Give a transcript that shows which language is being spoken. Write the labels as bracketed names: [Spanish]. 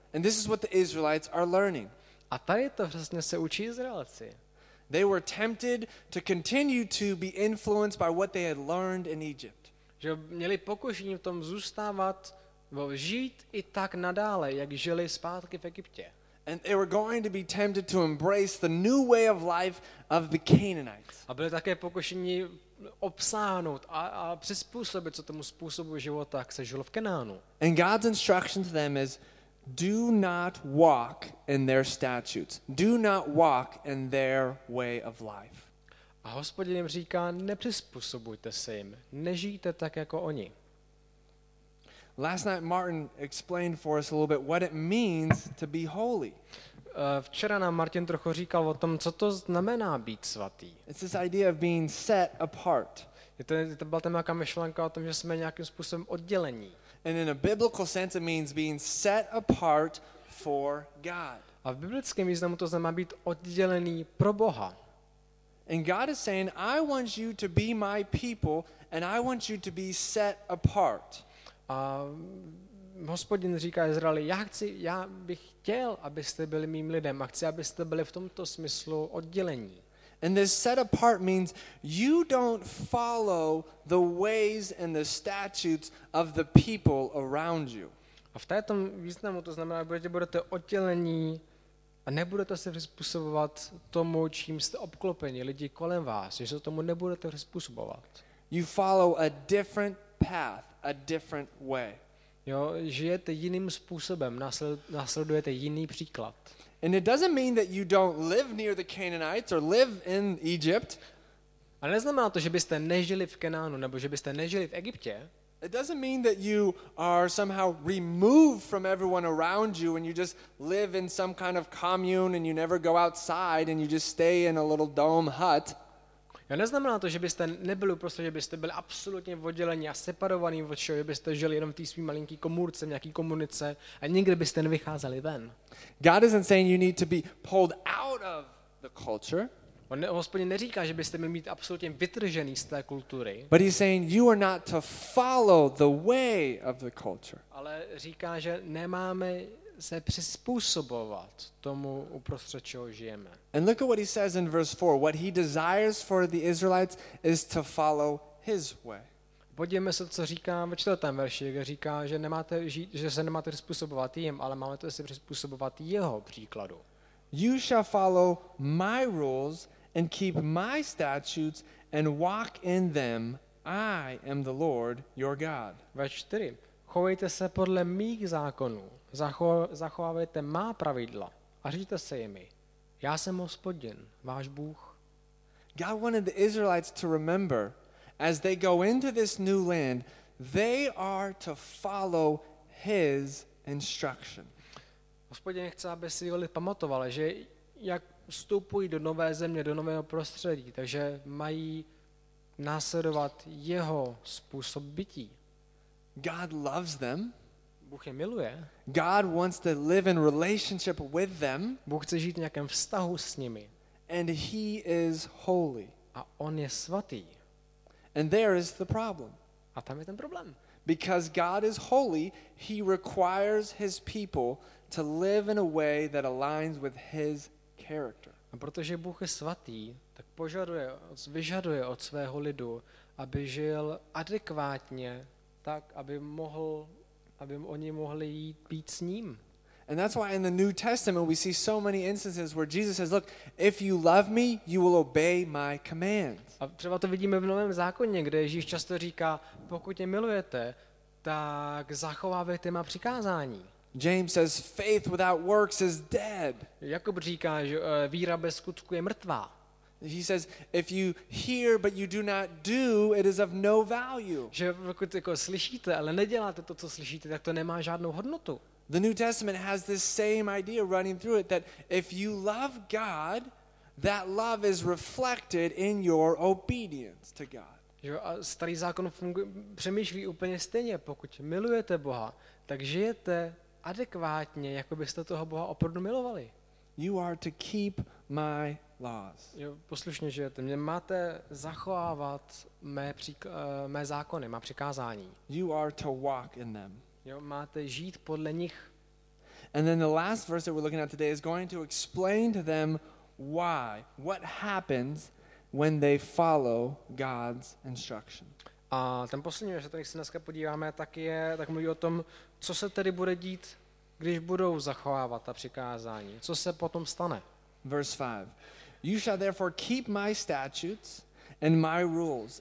[English] And this is what the Israelites are learning. [Czech] A tady to přesně se učí Izraelci. [English] They were tempted to continue to be influenced by what they had learned in Egypt. [Czech] Že měli pokušení v tom zůstávat žít i tak nadále, jak žili zpátky v Egyptě. [English] And they were going to be tempted to embrace the new way of life of the Canaanites. [Czech] A byli také pokušeni obsáhnout a přizpůsobit se tomu způsobu života, jak se žilo v Kanánu. [English] And God's instruction to them is, do not walk in their statutes. Do not walk in their way of life. [Czech] A Hospodin jim říká, nepřizpůsobujte se jim, nežijte tak jako oni. [English] Last night Martin explained for us a little bit what it means to be holy. [Czech] Včera nám Martin trochu říkal o tom, co to znamená být svatý. [English] It's this idea of being set apart. [Czech] To byla ta nějaká myšlenka o tom, že jsme nějakým způsobem oddělení. [English] And in a biblical sense it means being set apart for God. [Czech] A v biblickém významu to znamená být oddělený pro Boha. [English] And God is saying, I want you to be my people and I want you to be set apart. [Czech] A Hospodin říká Izraeli, já bych chtěl, abyste byli mým lidem, a chci, abyste byli v tomto smyslu oddělení. [English] And this set apart means you don't follow the ways and the statutes of the people around you. [Czech] A v této významu to znamená, že budete oddělení a nebudete se přizpůsobovat tomu, čím jste obklopeni, lidi kolem vás, že se tomu nebudete přizpůsobovat. [English] You follow a different path, a different way. [Czech] Jo, žijete jiným způsobem, nasledujete jiný příklad. [English] And it doesn't mean that you don't live near the Canaanites or live in Egypt. [Czech] A neznamená to, že byste nežili v Kanánu nebo že byste nežili v Egyptě. [English] It doesn't mean that you are somehow removed from everyone around you and you just live in some kind of commune and you never go outside and you just stay in a little dome hut. [Czech] Já neznamená to, že byste nebyli prostě, že byste byli absolutně oddělení a separovaní od všeho, že byste žili jenom v té svý malinký komůrce, v nějaký komunice a nikdy byste nevycházeli ven. [English] God isn't saying you need to be pulled out of the culture. [Czech] On Hospodin neříká, že byste měli být absolutně vytržený z té kultury. [English] But he's saying you are not to follow the way of the culture. [Czech] Ale říká, že nemáme se přizpůsobovat tomu, uprostřed čeho žijeme. [English] And look at what he says in verse 4. What he desires for the Israelites is to follow his way. [Czech] Podívejme se, co říká ve čtvrtém verši, kde říká, že nemáte žít, že se nemáte přizpůsobovat jim, ale máme to se přizpůsobovat jeho příkladu. [English] You shall follow my rules and keep my statutes and walk in them. I am the Lord your God. [Czech] Ve 4. Chovejte se podle mých zákonů. Zachovávejte má pravidla a řídíte se jimi. Já jsem Hospodin, váš Bůh. [English] God wanted the Israelites to remember as they go into this new land, they are to follow his instruction. [Czech] Hospodin chce, aby si lidé pamatovali, že jak vstupují do nové země, do nového prostředí, takže mají následovat jeho způsob bytí. [English] God loves them. [Czech] Bůh je miluje. [English] God wants to live in relationship with them. [Czech] Bůh chce žít v nějakém vztahu s nimi. [English] And he is holy. [Czech] A on je svatý. [English] And there is the problem. [Czech] A tam je ten problém. [English] Because God is holy, he requires his people to live in a way that aligns with his character. [Czech] A protože Bůh je svatý, tak požaduje, vyžaduje od svého lidu, aby žil adekvátně, tak aby oni mohli jít být s ním. [English] And that's why in the New Testament we see so many instances where Jesus says, look, if you love me, you will obey my commands. [Czech] A třeba to vidíme v Novém zákoně, kde Ježíš často říká, pokud mě milujete, tak zachovávejte má přikázání. [English] James says faith without works is dead. [Czech] Jakub říká, že víra bez skutku je mrtvá. [English] He says if you hear but you do not do, it is of no value. [Czech] Že pokud jako slyšíte, ale neděláte to, co slyšíte, tak to nemá žádnou hodnotu. [English] The New Testament has this same idea running through it that if you love God, that love is reflected in your obedience to God. [Czech] Jo, a starý zákon přemýšlí úplně stejně, pokud milujete Boha, tak žijete adekvátně, jako byste toho Boha opravdu milovali. [English] You are to keep my laws. [Czech] Jo, poslušně žijete. Mě máte zachovávat mé zákony, má přikázání. [English] You are to walk in them. [Czech] Jo, máte žít podle nich. [English] And then the last verse that we're looking at today is going to explain to them why, what happens when they follow God's instruction. [Czech] A ten poslední, že tady se dneska podíváme, tak je, tak mluví o tom, co se tedy bude dít, když budou zachovávat ta přikázání. Co se potom stane? [English] Verse 5. You shall therefore keep my statutes and my rules.